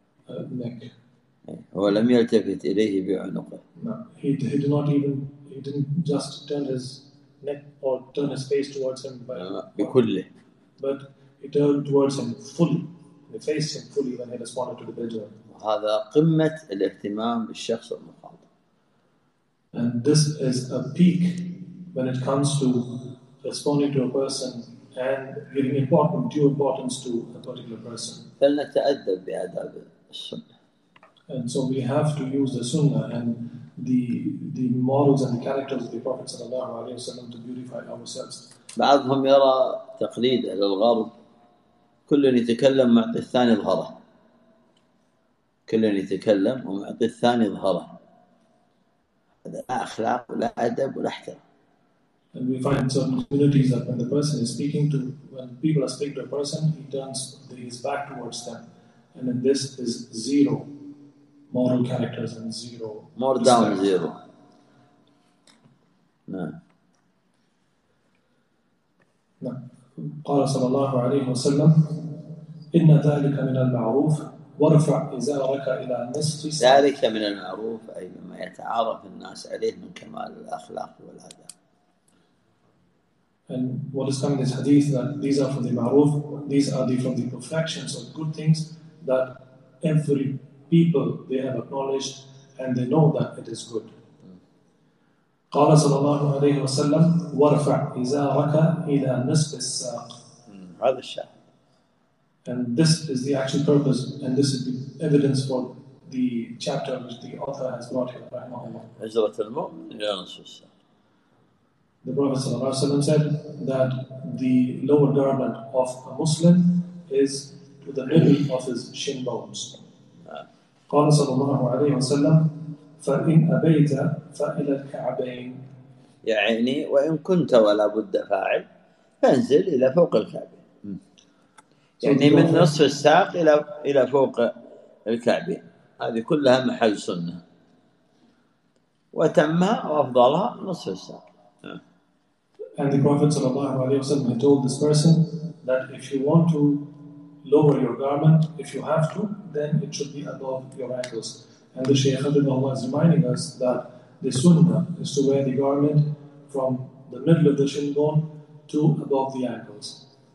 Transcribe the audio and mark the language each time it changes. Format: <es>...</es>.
<ar>النك هو لم يلتفت اليه بعنقه.</ar> <en>He did not even, he didn't just turn his neck or turn his face towards him by</en> <ar>بكله,</ar> <en>but he turned towards him fully, he faced him fully when he responded to the Bedouin.</en> <ar>هذا قمة الاهتمام بالشخص المخاطب.</ar> <en>And this is a peak when it comes to responding to a person and giving important due importance to a particular person.</en> <ar>فلنتأدب بآداب السنة.</ar> <en>And so we have to use the sunnah and the models and the characters of the Prophet</en> <ar>صلى الله عليه وسلم</ar> <en>to beautify ourselves.</en> <ar>بعضهم يرى تقليد أهل الغرب, كل يتكلم مع الثاني ظهره. كل يتكلم ومعطي الثاني ظهره. هذا لا أخلاق ولا أدب ولا احترام.</ar> <en>And we find certain communities that when the person is speaking to, when people are speaking to a person, he turns his back towards them, and then this is zero moral characters and zero more respect. Down zero. No. No.</en> <ar>قال صلى الله عليه وسلم إن ذلك من المعروف ورفع إزارك إلى النصف. ذلك من المعروف أي مما يتعرف الناس عليه من كمال الأخلاق والأدب.</ar> <en>And what is coming is hadith that these are from the ma'roof, these are the from the perfections of good things that every people they have acknowledged and they know that it is good.</en> <ar>قال صلى الله عليه وسلم ورفع إزارك إلى نصف الساق. هذا الشاهد.</ar> <en>And this is the actual purpose, and this is the evidence for the chapter which the author has brought here, rahimahullah.</en> <ar>Hijrat al-mu'min ila nisfi saq.</ar> <en>The Prophet</en> <ar>صلى الله عليه وسلم</ar> <en>said that the lower garment of a Muslim is to the middle of his shin bones.</en> <ar>قال صلى الله عليه وسلم فإن أبيت فإلى الكعبين. يعني وإن كنت ولا بد فاعل فانزل إلى فوق الكعبين. يعني من نصف الساق إلى فوق الكعبين, هذه كلها محل سنة, وتمها وأفضلها نصف الساق.</ar> <en>And the Prophet</en> <ar>صلى الله عليه وسلم</ar> <en>told this person that if you want to lower your garment, if you have to, then it should be above your ankles. And the Shaykh Abdullah is reminding us that the sunnah is to wear the garment from the middle of the shin bone to above the ankles.</en>